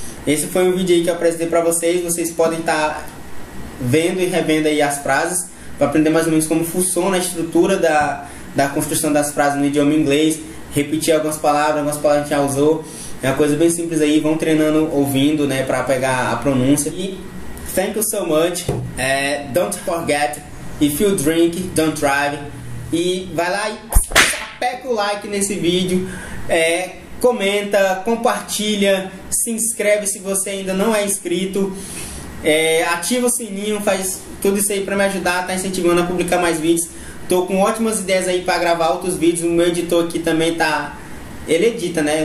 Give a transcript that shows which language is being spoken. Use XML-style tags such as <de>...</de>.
<pt>Esse foi um vídeo aí que eu apresentei para vocês. Vocês podem estar vendo e revendo aí as frases para aprender mais ou menos como funciona a estrutura da construção das frases no idioma inglês. Repetir algumas palavras que já usou. É uma coisa bem simples aí. Vão treinando ouvindo, né? Para pegar a pronúncia. E</pt> <en>Thank you so much. Don't forget, if you drink, don't drive.</en> <pt>E vai lá e pega o like nesse vídeo, comenta, compartilha, se inscreve se você ainda não é inscrito, ativa o sininho, faz tudo isso aí para me ajudar, tá incentivando a publicar mais vídeos. Tô com ótimas ideias aí para gravar outros vídeos. O meu editor aqui também tá. Ele edita, né?</pt>